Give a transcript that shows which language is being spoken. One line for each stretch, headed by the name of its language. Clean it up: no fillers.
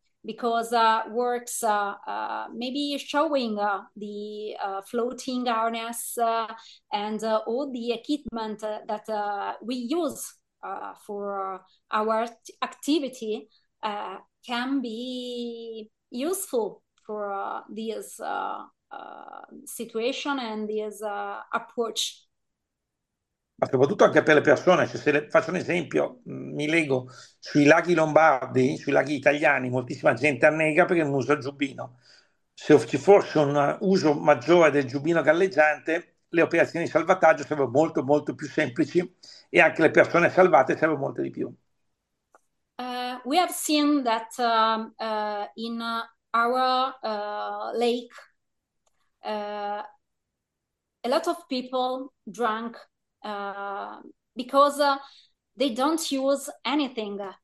English: Because works maybe showing the floating harness and all the equipment that we use for our activity can be useful for this situation and this approach.
Italian: Soprattutto anche per le persone, cioè, se faccio un esempio, mi leggo sui laghi lombardi, sui laghi italiani, moltissima gente annega perché non usa il giubbino. Se ci fosse un uso maggiore del giubbino galleggiante, le operazioni di salvataggio sono molto molto più semplici e anche le persone salvate servono molto di più.
English: We have seen that in our lake, a lot of people drunk because they don't use anything.